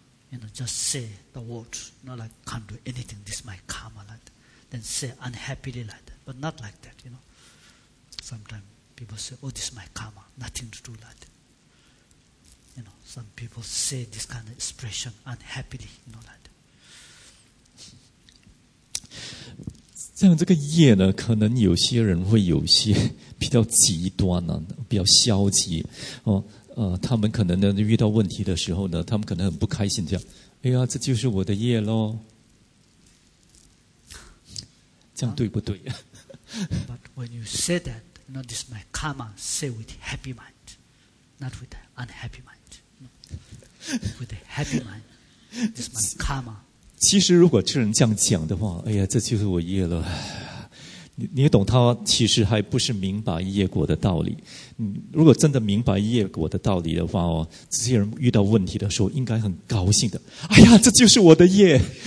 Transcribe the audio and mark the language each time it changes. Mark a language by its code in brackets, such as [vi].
[en] You know, just say the words, you know, like can't do anything, this is my karma, like that. Then say unhappily like that, but not like that, you know. Sometimes people say, oh, this is my karma, nothing to do like that. You know, some people say this kind of expression unhappily, you know, like that. [zh] 像这个业呢，可能有些人会有些比较极端啊，比较消极哦，他们可能呢遇到问题的时候呢，他们可能很不开心，这样，哎呀，这就是我的业咯，这样对不对 [en] ？But when you say that, you know, this is my karma, say with happy mind, not with unhappy mind. With a happy mind, this is my karma. [zh] 其实如果这人这样讲的话，哎呀，这就是我业了。你懂，他其实还不是明白业果的道理。如果真的明白业果的道理的话，哦，这些人遇到问题的时候应该很高兴的，哎呀，这就是我的业。